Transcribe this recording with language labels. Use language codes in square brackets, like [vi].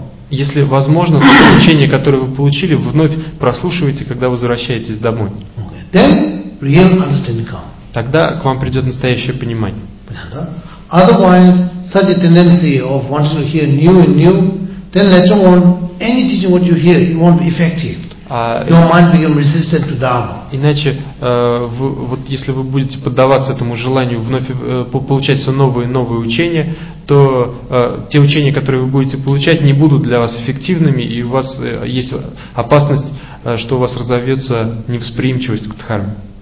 [ru] Если возможно, то учение, которое вы получили, вновь прослушивайте, когда возвращаетесь домой. [en] Okay. Then real understanding comes. [ru] Тогда к вам придет настоящее понимание. [en] Otherwise, such a tendency of wanting to hear new and new, then later on, any teaching what you hear, it won't be effective. Your mind become resistant to Dharma. [ru] Иначе, вот если вы будете поддаваться этому желанию вновь получать все новые и новые учения, то те учения, которые вы будете получать, не будут для вас эффективными, и у вас есть опасность, что у вас разовьется невосприимчивость к Дхарме.